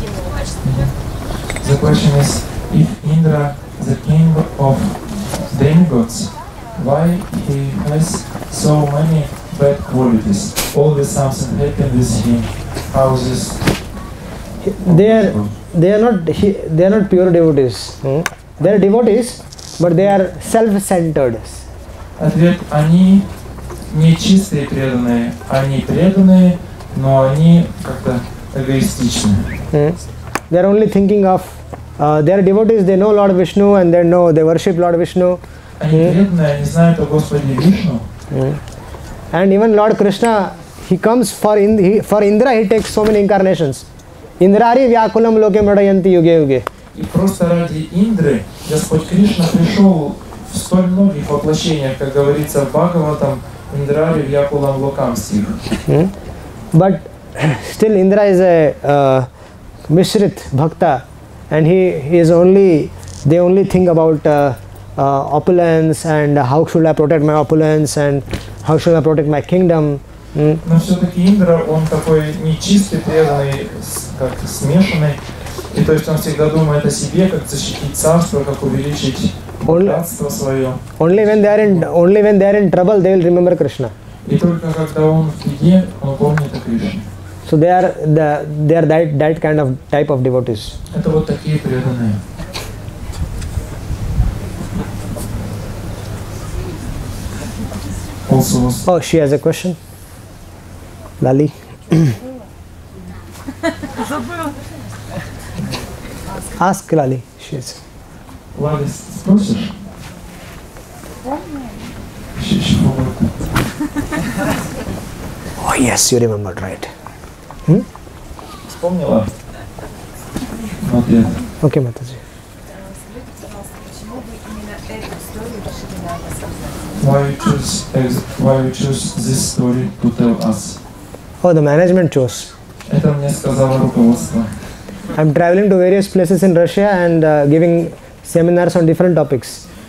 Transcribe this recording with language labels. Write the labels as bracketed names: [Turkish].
[English] The question is, if Indra, the king of demigods, why he has so many bad qualities? Always something happened with him. How is this? They are not pure devotees. They are devotees, but they are self-centered. [Russian] Ответ: они не чистые преданные, они преданные, но они как-то эгоистичны. [English] They are only thinking of they are devotees, they know Lord Vishnu and they know, they worship Lord Vishnu. And even Lord Krishna, he comes for for Indra, he takes so many incarnations. [Sanskrit] Indrari Vyakulam Loke Madayanti Yuge Yuge. [Russian] И просто ради Индры Господь Кришна пришел в столь многих воплощениях, как говорится в Бхагаватам, Индрари Вьякулам Локам стих. [English] But still Indra is a Mishrit Bhakta. And he is only, they only think about opulence and how should I protect my opulence and how should I protect my kingdom. [Russian] Но все-таки Индра, он такой нечистый, преданный, как смешанный. И то есть он всегда думает о себе, как защитить царство, как увеличить богатство свое. [English] Only when they are in trouble, they will remember Krishna. [Russian] И только когда он в беде, он помнит о Кришне. [English] So they are that kind of type of devotees. [Russian] Это вот такие преданные. [English] Also. Oh, she has a question. Лали. [Russian] Забыл. [English] Ask Лали. She is. [Russian] Лали, спросишь? [English] Oh yes, you remembered right. [Russian] Вспомнила? Ответ. Окей, Матаджи. [English] Why you choose this story to tell us? Oh, the management chose. [Russian] Это мне сказала руководство. [English] I'm traveling to various places in Russia and giving seminars on different topics.